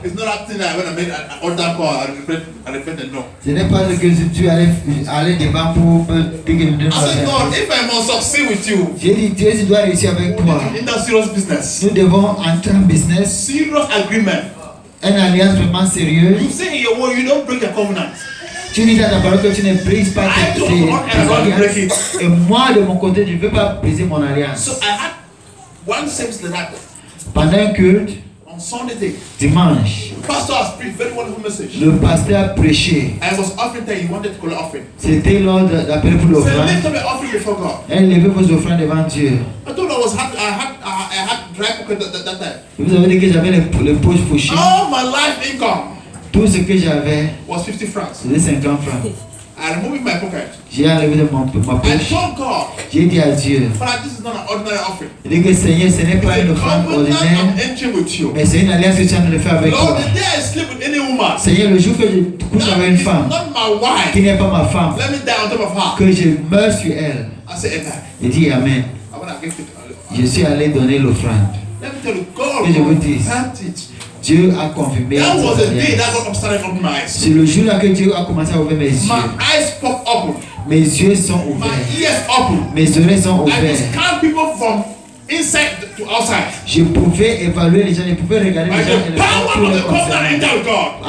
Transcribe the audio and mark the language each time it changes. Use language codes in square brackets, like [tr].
[en] It's not that thing that when I made an order call, I repeated no. [fr] Ce n'est pas que je dois aller devant pour me dire que je dois faire. [en] I said God, if I must succeed with you. [fr] J'ai dit Dieu, je dois réussir avec toi. [en] In that serious business. [fr] Nous devons entrer en business. [en] Serious agreement. [fr] Une alliance vraiment sérieuse. [en] You say in your word, you don't break the covenant. [fr] Tu dis dans ta parole que tu ne brises pas ta alliance. Et moi, de mon côté, je ne veux pas briser mon alliance. [en] So I had one service like that. [fr] Pendant un culte, [en] on Sunday day, [fr] dimanche, [en] pastor has preached very wonderful message. [fr] Le pasteur a prêché. [en] I was offering that he wanted to call an offering. [fr] C'était lors d'appeler pour l'offrande. [en] Lift up your offering before God. [fr] Enlevez vos offrandes devant Dieu. [en] I told you I had dry pocket at that time. [fr] Vous avez dit que j'avais les poches fauchées. [en] All my life income. [fr] Tout ce que j'avais [en] was 50 francs. [fr] C'était 50 francs. [en] removing my pocket. [fr] J'ai enlevé de ma poche. [en] I told God. [fr] J'ai dit à Dieu. [en] Father, this is not an ordinary offering. [fr] Il dit que Seigneur, ce n'est pas une offrande ordinaire. [en] I'm entering with you. [fr] Mais c'est une alliance que tu as de le faire avec [en] Lord, [fr] toi. [en] The day I sleep with any woman. [fr] Seigneur, le jour que je couche avec une femme. [en] Not my wife. [fr] Qui n'est pas ma femme. [en] Let me die on top of her. [fr] Que je meure sur elle. [en] I say [fr] amen. Il dit amen. Je suis allé donner l'offrande. [en] Let me tell you, [fr] God, Dieu a confirmé. [en] That was the day that God started opening my eyes. [fr] C'est le jour là que Dieu a commencé à ouvrir mes yeux. [en] My eyes pop open. [fr] Mes yeux sont ouverts. [en] My ears open. [fr] Mes oreilles sont ouvertes. [en] I could count people from inside to outside. [fr] Je pouvais évaluer les gens. Je pouvais regarder les gens. [en] By the power of the covenant of God.